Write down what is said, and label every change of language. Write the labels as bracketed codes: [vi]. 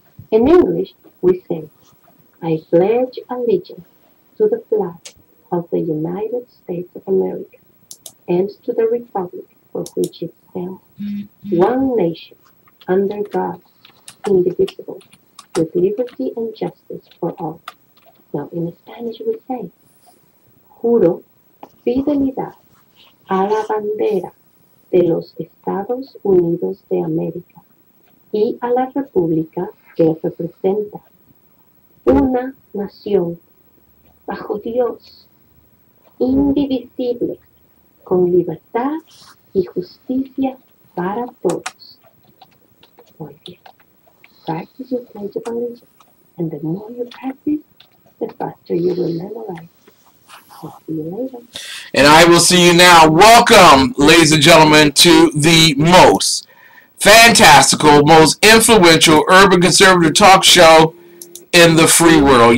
[en] In English, we say, I pledge allegiance to the flag of the United States of America and to the Republic for which it stands, one nation, under God, indivisible, with liberty and justice for all. Now, in Spanish we say, [es] Juro fidelidad a la bandera de los Estados Unidos de América y a la República que representa, una nación bajo Dios, indivisible, con libertad y justicia para todos. Muy bien. [en] Practice your pledge of allegiance. And the more you practice, the faster you will memorize. I'll see you later. And I will see you now. Welcome, ladies and gentlemen, to the most fantastical, most influential urban conservative talk show in the free world.